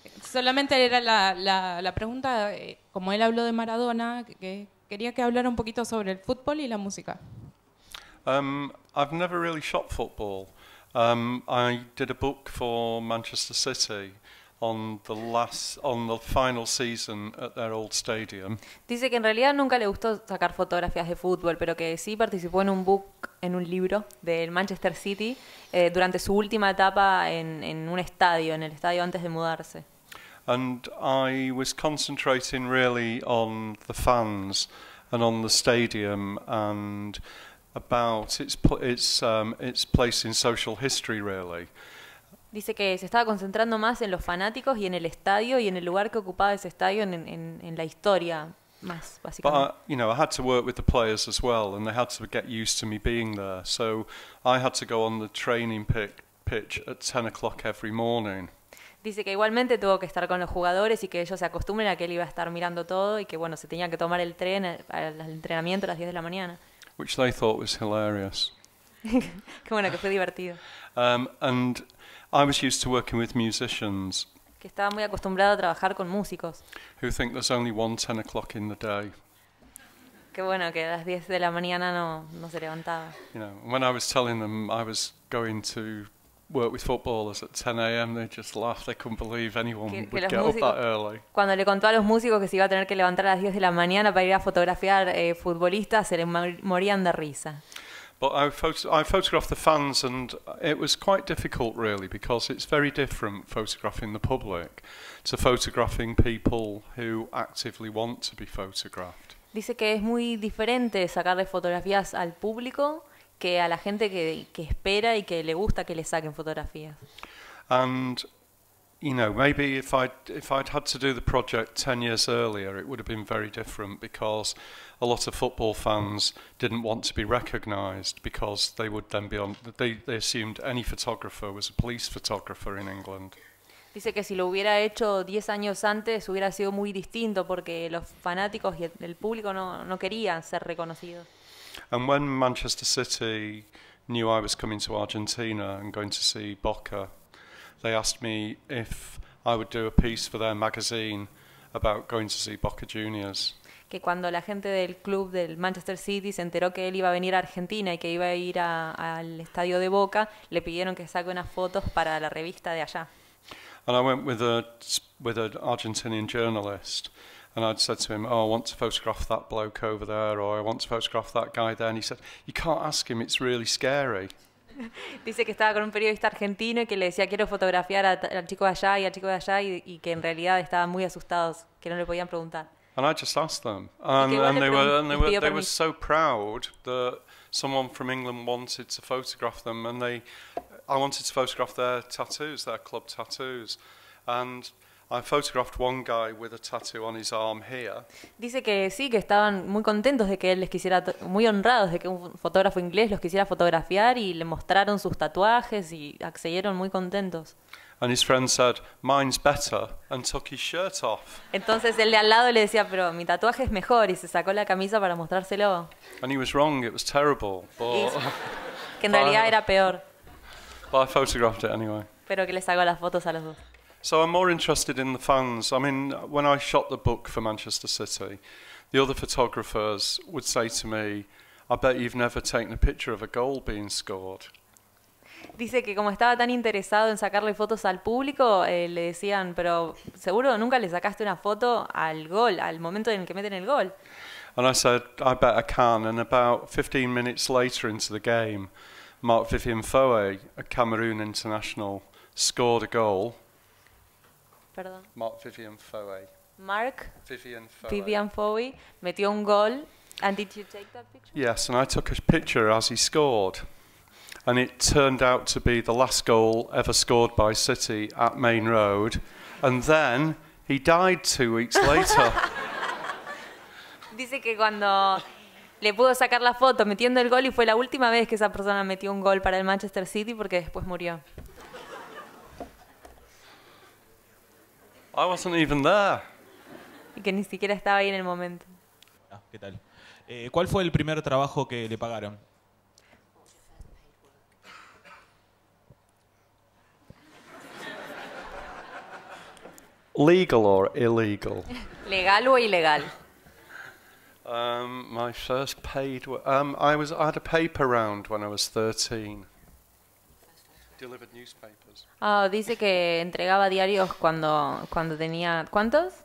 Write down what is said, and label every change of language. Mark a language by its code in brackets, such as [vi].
[es] Solamente era la pregunta, como él habló de Maradona, que quería que hablara un poquito sobre el fútbol y la música. [en] I've never really shot football. I did a book for Manchester City on the final season at their old stadium. [es] Dice que en realidad nunca le gustó sacar fotografías de fútbol, pero que sí participó en un libro del Manchester City durante su última etapa en el estadio antes de mudarse. [en] And I was concentrating really on the fans and on the stadium and about its place in social history really. [es] Dice que se estaba concentrando más en los fanáticos y en el estadio y en el lugar que ocupaba ese estadio en la historia más básicamente. [en] But you know, I had to work with the players as well, and they had to get used to me being there. So I had to go on the training pitch at 10:00 every morning. [es] Dice que igualmente tuvo que estar con los jugadores y que ellos se acostumbren a que él iba a estar mirando todo y que bueno, se tenía que tomar el tren al entrenamiento a las 10 de la mañana. [en] Which they thought was hilarious. [es] Qué bueno, que fue divertido. [en] And I was used to working with musicians. [es] Que estaba muy acostumbrado a trabajar con músicos. [en] Who think there's only one 10:00 in the day. [es] Qué bueno que a las 10 de la mañana no se levantaba. [en] You know, when I was telling them I was going to work with footballers at 10 a.m. they just laughed. They couldn't believe anyone would get up that early. [es] Cuando le contó a los músicos que se iba a tener que levantar a las 10 de la mañana para ir a fotografiar futbolistas, se le morían de risa. [en] But I photographed the fans, and it was quite difficult, really, because it's very different photographing the public to photographing people who actively want to be photographed. [es] Dice que es muy diferente sacarle fotografías al público que a la gente que espera y que le gusta que le saquen fotografías. [en] And you know, maybe if I'd had to do the project 10 years earlier, it would have been very different because a lot of football fans didn't want to be recognised because they would then be on. They assumed any photographer was a police photographer in England. [es] Dice que si lo hubiera hecho 10 años antes, hubiera sido muy distinto porque los fanáticos y el público no querían ser reconocidos. [en] And when Manchester City knew I was coming to Argentina and going to see Boca, they asked me if I would do a piece for their magazine about going to see Boca Juniors. [es] Que cuando la gente del club del Manchester City se enteró que él iba a venir a Argentina y que iba a ir al estadio de Boca, le pidieron que saque unas fotos para la revista de allá. [en] And I went with an Argentinian journalist, and I'd said to him, "Oh, I want to photograph that bloke over there, or I want to photograph that guy there." And he said, "You can't ask him; it's really scary." [es] Dice que estaba con un periodista argentino y que le decía quiero fotografiar al chico de allá y al chico de allá y que en realidad estaban muy asustados, que no le podían preguntar. [en] And I just asked them. And they were so proud that someone from England wanted to photograph them, and I wanted to photograph their tattoos, their club tattoos. And I photographed one guy with a tattoo on his arm here. [es] Dice que sí, que estaban muy contentos de que él les quisiera, muy honrados de que un fotógrafo inglés los quisiera fotografiar y le mostraron sus tatuajes y accedieron muy contentos. [en] And his friend said, "Mine's better," and took his shirt off. [es] Entonces el de al lado le decía, pero mi tatuaje es mejor, y se sacó la camisa para mostrárselo. [en] And he was wrong, it was terrible. But [es] que en realidad era peor. [en] But I photographed it anyway. [es] Pero que le sacó las fotos a los dos. [en] So I'm more interested in the fans. I mean, when I shot the book for Manchester City, the other photographers would say to me, I bet you've never taken a picture of a goal being scored. [es] Dice que como estaba tan interesado en sacarle fotos al público, le decían, pero seguro nunca le sacaste una foto al gol, al momento en el que meten el gol. [en] And I said, I bet I can. And about 15 minutes later into the game, Mark Vivian Foe, a Cameroon international, scored a goal. [es] Perdón. Mark Vivian Foe. Mark Vivian [en] Foe. Vivian Foe [es] metió un gol. [en] And did you take that picture? Yes, and I took a picture as he scored. And it turned out to be the last goal ever scored by City at Main Road. And then he died 2 weeks later. [es] Dice que cuando le pudo sacar la foto metiendo el gol y fue la última vez que esa persona metió un gol para el Manchester City porque después murió. [en] I wasn't even there. [es] Y que ni siquiera estaba ahí en el momento. Ah, ¿qué tal? ¿Cuál fue el primer trabajo que le pagaron? [en] Legal or illegal? [es] Legal o ilegal. [en] My first paid work. I had a paper round when I was 13. Delivered newspapers. [es] Oh, dice que entregaba diarios cuando tenía ¿cuántos?